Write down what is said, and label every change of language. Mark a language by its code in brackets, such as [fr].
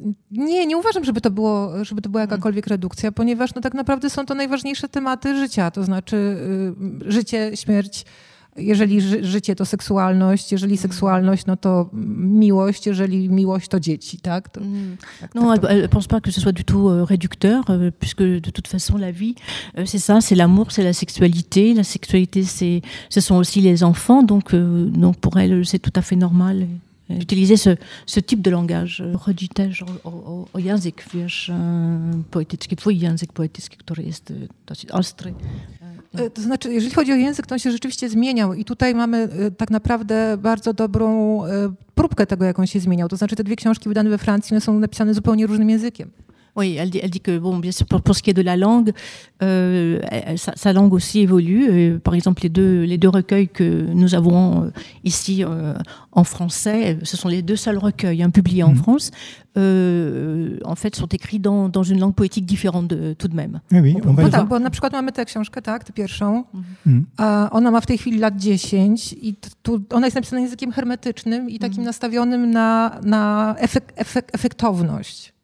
[pl] Nie uważam, żeby to była jakakolwiek redukcja, ponieważ no, tak naprawdę są to najważniejsze tematy życia, to znaczy życie, śmierć, jeżeli życie to seksualność, jeżeli seksualność no, to miłość, jeżeli miłość to dzieci, tak? To, [fr] non, tak, elle ne pense pas que ce soit du tout réducteur, puisque de toute façon la vie, c'est ça, c'est l'amour, c'est la sexualité ce sont aussi les enfants, donc pour elle c'est tout à fait normal. Utiliser ce type de langage, [pl] redutage au język, wiesz, poetycki, twój język poetycki, który jest dosyć ostry. To znaczy, jeżeli chodzi o język, to on się rzeczywiście zmieniał i tutaj mamy tak naprawdę bardzo dobrą próbkę tego, jak on się zmieniał. To znaczy, te dwie książki wydane we Francji, one są napisane zupełnie różnym językiem. [fr] Oui, elle dit que bon, bien sûr, pour ce qui est de la langue, sa langue aussi évolue. Par exemple, les deux recueils que nous avons ici en français, ce sont les deux seuls recueils hein, publiés en France, en fait, sont écrits dans une langue poétique différente tout de même. Oui, on va voir. Bon, par exemple, on a cette [pl] książka, tak, tę pierwszą. Ona ma w tej chwili lat 10 i tu ona jest napisana językiem hermetycznym i takim nastawionym na efektowność.